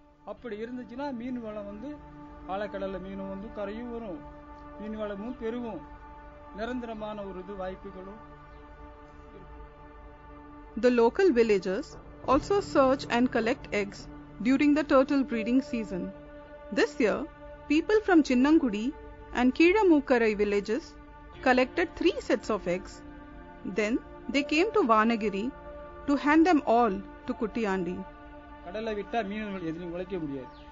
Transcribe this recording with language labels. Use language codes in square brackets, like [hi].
[ta] அப்படி இருந்துச்சுனா மீன் வளம் வந்து ஆழக்கடல்ல மீன் வந்து கரையும் வரும், மீன் வளமும் பெருகும், நிரந்தரமான ஒரு இது வாய்ப்புகளும். [en] The local villagers also search and collect eggs during the turtle breeding season. This year, people from Chinnangudi and Kiramukkarai villages collected 3 sets of eggs. Then they came to Vanagiri to hand them all to Kutti Andy. [ta] கடலை விட்டா மீனவர்கள் எதிரும் உழைக்க முடியாது.